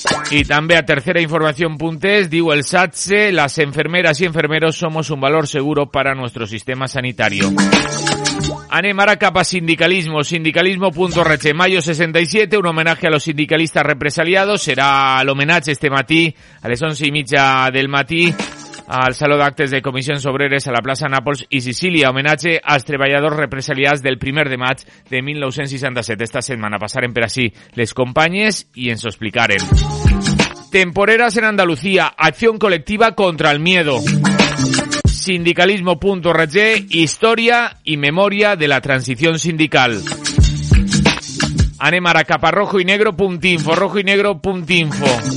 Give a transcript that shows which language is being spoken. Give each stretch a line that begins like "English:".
Spanish: Y también a tercera información.es, digo el SATSE, las enfermeras y enfermeros somos un valor seguro para nuestro sistema sanitario.
Catalan: Anem ara cap a sindicalismo, sindicalismo.rg,
Spanish: mayo 67, un homenaje a los sindicalistas represaliados, será el homenaje este
Catalan: matí, a las 11:30 del matí, al Saló d'Actes de Comissions Obreres a la plaça Nàpols i Sicília, homenatge als treballadors represaliats del 1 de maig de 1967. Esta setmana passarem per ací les companyes i ens ho explicarem.
Spanish: Temporeras en Andalucía, acción colectiva contra el miedo. Sindicalismo.org, historia y memoria de la transición sindical.
Catalan: Anem ara cap a rojoynegro.info, rojoynegro.info.